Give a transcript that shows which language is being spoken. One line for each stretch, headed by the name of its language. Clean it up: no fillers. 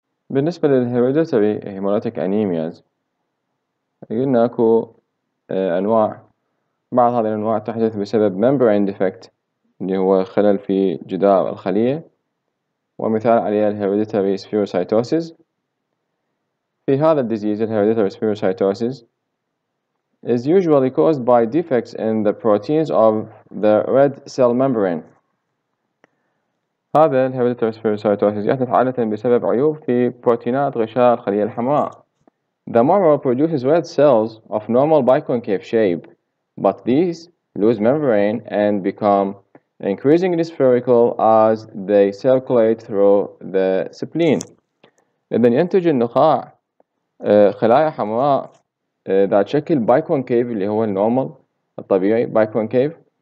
Arabic: بالنسبة للهيريديتري هيموليتيك أنيمياز قلنا أكو أنواع، بعض هذه الأنواع تحدث بسبب membrane defect اللي هو خلل في جدار الخلية، ومثال عليها الهيريديتري spherocytosis. في هذا الديزيز الهيريديتري
English: spherocytosis is usually caused by defects in the proteins of the red cell membrane.
Arabic: هذا الهيريديتري spherocytosis يحدث عادة بسبب عيوب في بروتينات غشاء الخلية الحمراء،
English: The marrow produces red cells of normal biconcave shape, but these lose membrane and become increasingly spherical as they circulate through the spleen.
Arabic: إذن ينتج النخاع خلايا حمراء ذات شكل biconcave اللي هو النورمال الطبيعي biconcave.